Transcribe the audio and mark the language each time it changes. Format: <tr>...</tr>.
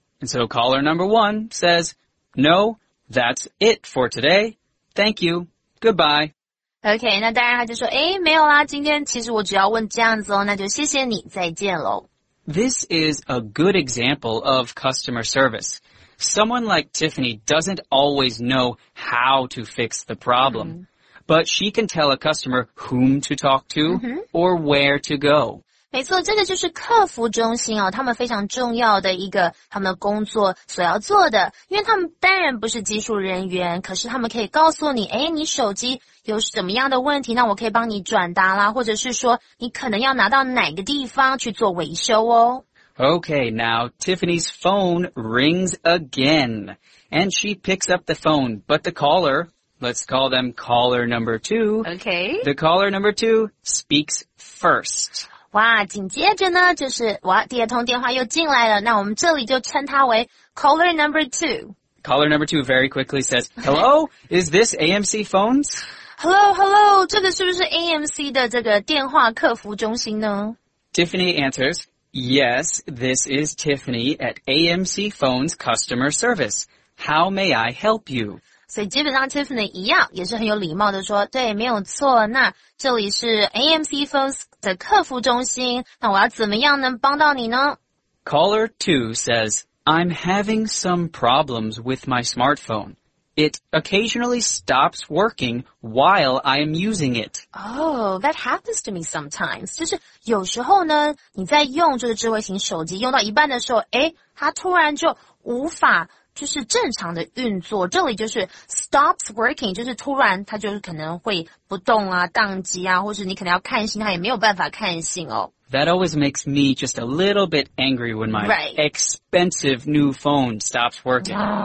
<en>And so caller number one says, no, that's it for today. Thank you. Goodbye.</en> <zh>Okay, 那当然他就说，诶，没有啦，今天其实我只要问这样子哦，那就谢谢你，再见咯。</zh> <en>This is a good example of customer service. Someone like Tiffany doesn't always know how to fix the problem, but she can tell a customer whom to talk to or where to go.</en> <zh>没错，这个就是客服中心哦，他们非常重要的一个他们的工作所要做的，因为他们当然不是技术人员，可是他们可以告诉你，诶，你手机有什么样的问题，那我可以帮你转达啦，或者是说你可能要拿到哪个地方去做维修哦。</zh> <en>Okay, now Tiffany's phone rings again, and she picks up the phone, but the caller, let's call them caller number two, okay. The caller number two speaks first.</en> <zh>哇，紧接着呢，就是哇，第二通电话又进来了。那我们这里就称它为</zh> <en>caller number two. Caller number two very quickly says, "Hello, is this AMC phones?" Hello, hello,</en> <zh>这个是不是 AMC 的这个电话客服中心呢？</zh> <en>Tiffany answers, "Yes, this is Tiffany at AMC Phones Customer Service. How may I help you?"</en> <zh>所以基本上 Tiffany 一样，也是很有礼貌的说，对，没有错。那这里是 AMC Phones的客服中心，那我要怎么样能帮到你呢？</zh> <en>Caller 2 says, I'm having some problems with my smartphone. It occasionally stops working while I am using it. Oh, that happens to me sometimes.</en> <zh>就是有时候呢，你在用这个智慧型手机用到一半的时候，诶，它突然就无法就是正常的运作，这里就是 stops working, 就是突然它就是可能会不动啊，宕机啊，或是你可能要看信，它也没有办法看信哦。</zh> <en>That always makes me just a little bit angry when my expensive new phone stops working.</en>